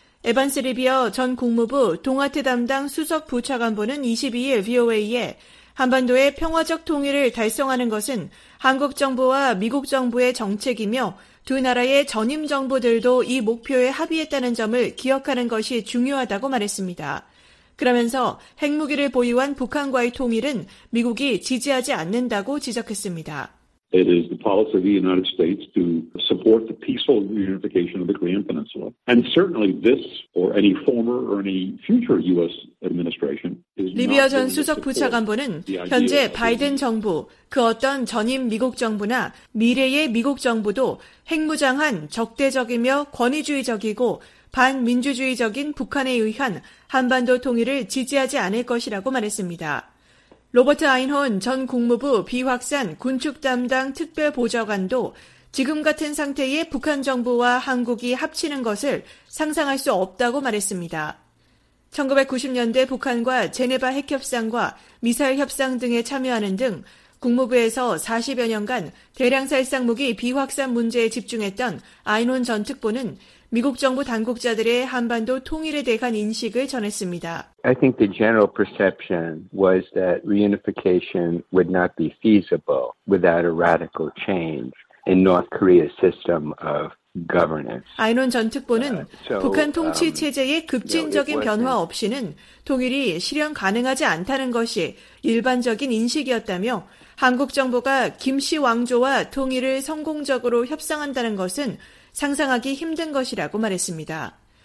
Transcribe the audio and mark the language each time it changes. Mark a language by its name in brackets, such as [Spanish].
[Korean] 에반스 리비어 전 국무부 동아태 담당 수석 부차관보는 22일 VOA에 한반도의 평화적 통일을 달성하는 것은 한국 정부와 미국 정부의 정책이며 두 나라의 전임 정부들도 이 목표에 합의했다는 점을 기억하는 것이 중요하다고 말했습니다. 그러면서 핵무기를 보유한 북한과의 통일은 미국이 지지하지 않는다고 지적했습니다. [English] It is the policy of the United States to support the peaceful reunification of the Korean Peninsula. And certainly this or any former or any future U.S. administration is not [Korean] 리비어 전 수석 부차관보는 현재 바이든 정부, 그 어떤 전임 미국 정부나 미래의 미국 정부도 핵무장한 적대적이며 권위주의적이고 반민주주의적인 북한에 의한 한반도 통일을 지지하지 않을 것이라고 말했습니다. 로버트 아인혼 전 국무부 비확산 군축 담당 특별보좌관도 지금 같은 상태에 북한 정부와 한국이 합치는 것을 상상할 수 없다고 말했습니다. 1990년대 북한과 제네바 핵협상과 미사일 협상 등에 참여하는 등 국무부에서 40여 년간 대량살상 무기 비확산 문제에 집중했던 아인원 전 특보는 미국 정부 당국자들의 한반도 통일에 대한 인식을 전했습니다. [English] I think the general perception was that reunification would not be feasible without a radical change in North Korea's system of governance. [Korean] 아인원 전 특보는 북한 통치 체제의 급진적인 변화 없이는 통일이 실현 가능하지 않다는 것이 일반적인 인식이었다며 한국 정부가 김씨 왕조와 통일을 성공적으로 협상한다는 것은 상상하기 힘든 것이라고 말했습니다.